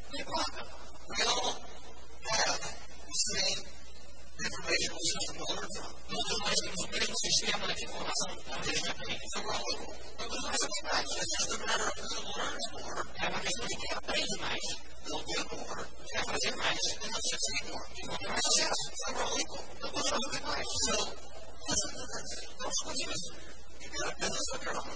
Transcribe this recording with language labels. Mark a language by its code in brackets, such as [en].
[en] We all have the same informational system to learn from. [pt] Todos nós temos o mesmo sistema de informação. [en] So we're all equal. But what does that mean? It's just a matter of who learns more. [pt] É uma questão de quem aprende mais. [en] Will do more. [pt] Quer fazer mais. [en] And will succeed more. [pt] E vão ter mais sucesso. [en] So we're all equal. [pt] Então todos nós temos mais. [en] So listen to this. [pt] Então escute isso. [en] You've got a business of your own.